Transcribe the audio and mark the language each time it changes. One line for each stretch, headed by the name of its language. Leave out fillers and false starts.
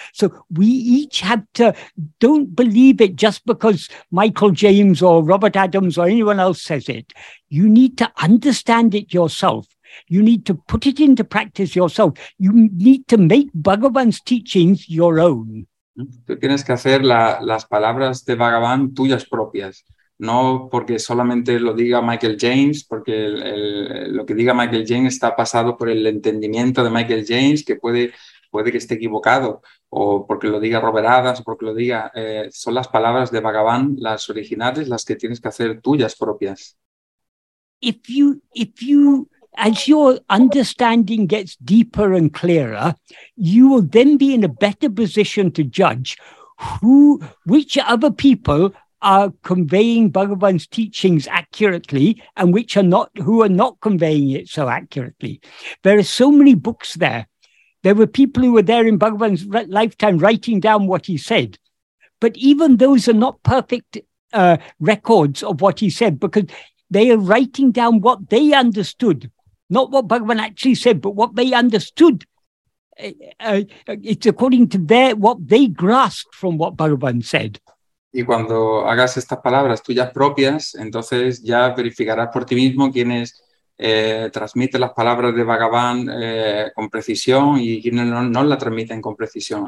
English: So we each have to, don't believe it just because Michael James or Robert Adams or anyone else says it. You need to understand it yourself. You need to put it into practice yourself. You need to make Bhagavan's teachings your own.
Spanish: Tú tienes que hacer las palabras de Bhagavan tuyas propias. No porque solamente lo diga Michael James, porque lo que diga Michael James está pasado por el entendimiento de Michael James, que puede que esté equivocado, o porque lo diga Robert Adams, o porque lo diga... son las palabras de Bhagavan, las originales, las que tienes que hacer tuyas propias.
English: If you as your understanding gets deeper and clearer, you will then be in a better position to judge which other people are conveying Bhagavan's teachings accurately and who are not conveying it so accurately. There are so many books there. There were people who were there in Bhagavan's lifetime writing down what he said. But even those are not perfect records of what he said, because they are writing down what they understood, not what Bhagavan actually said, but what they understood. It's according to what they grasped from what Bhagavan said.
Spanish: Y cuando hagas estas palabras tuyas propias, entonces ya verificarás por ti mismo quiénes transmiten las palabras de Bhagavan con precisión y quiénes no la transmiten con precisión.